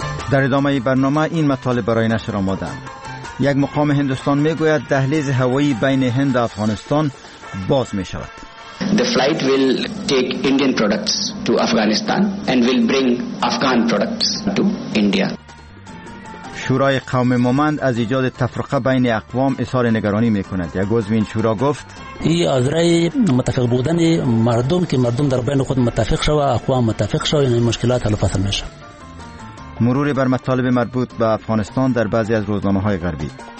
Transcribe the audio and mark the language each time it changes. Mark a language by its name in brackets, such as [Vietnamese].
[Persian] در ادامه برنامه این مطالب برای نشر آمده‌ام. یک مقام هندوستان میگوید دهلیز هوایی بین هند و افغانستان باز می شود. [English] The flight will take Indian products to Afghanistan and will bring Afghan products to India. [Persian] شورای قوم مومند از ایجاد تفرقه بین اقوام اظهار نگرانی میکند. یک عضو این شورا گفت ای از رای متفق بودن مردم که مردم در بین خود متفق شوه، اقوام متفق شوه، این مشکلات حل و فصل میشه. مروری بر مطالب مربوط به افغانستان در بعضی از روزنامه های غربی.